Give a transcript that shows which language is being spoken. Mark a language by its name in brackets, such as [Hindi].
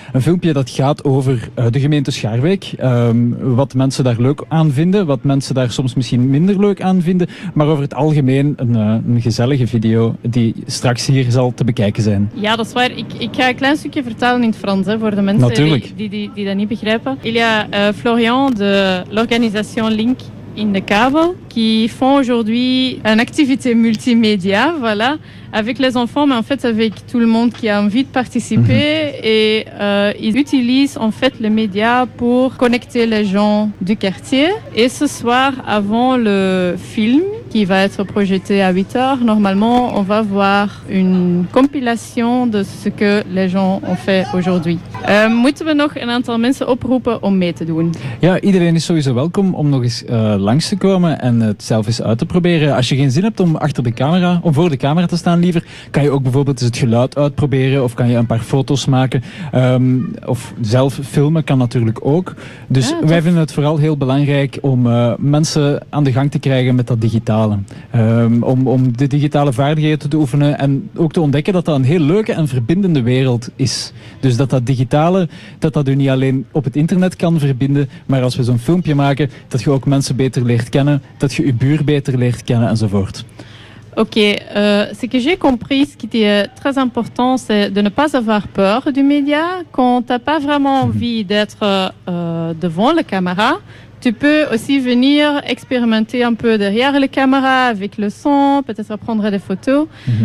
[Dutch] Een filmpje dat gaat over de gemeente Schaarbeek. Wat mensen daar leuk aan vinden, wat mensen daar soms misschien minder leuk aan vinden, maar over het algemeen een gezellige video die straks hier zal te bekijken zijn. Ja, dat is waar. Ik ga een klein stukje vertellen in het Frans, hè, voor de mensen die dat niet begrijpen. [French] Il y a Florian de l'organisation Link in de Kabel, qui font aujourd'hui une activité multimédia, voilà, avec les enfants, mais en fait avec tout le monde qui a envie de participer. Mmh. Et ils utilisent en fait les médias pour connecter les gens du quartier. Et ce soir, avant le film qui va être projeté à 8h, normalement, on va voir une compilation de ce que les gens ont fait aujourd'hui. [Dutch] Moeten we nog een aantal mensen oproepen om mee te doen? Ja, iedereen is sowieso welkom om nog eens langs te komen en het zelf eens uit te proberen. Als je geen zin hebt om achter de camera, om voor de camera te staan liever, kan je ook bijvoorbeeld eens het geluid uitproberen of kan je een paar foto's maken. Of zelf filmen kan natuurlijk ook. Dus ja, wij vinden het vooral heel belangrijk om mensen aan de gang te krijgen met dat digitale. Om de digitale vaardigheden te oefenen en ook te ontdekken dat dat een heel leuke en verbindende wereld is. Dus dat dat digitale, dat dat u niet alleen op het internet kan verbinden, maar als we zo'n filmpje maken, dat je ook mensen beter leert kennen, dat je buur beter leert kennen enzovoort. [French] Ok, ce que j'ai compris, ce qui était très important, c'est de ne pas avoir peur du média. Quand tu n'as pas vraiment envie d'être devant la caméra, tu peux aussi venir expérimenter un peu derrière la caméra avec le son, peut-être prendre des photos. Mm-hmm.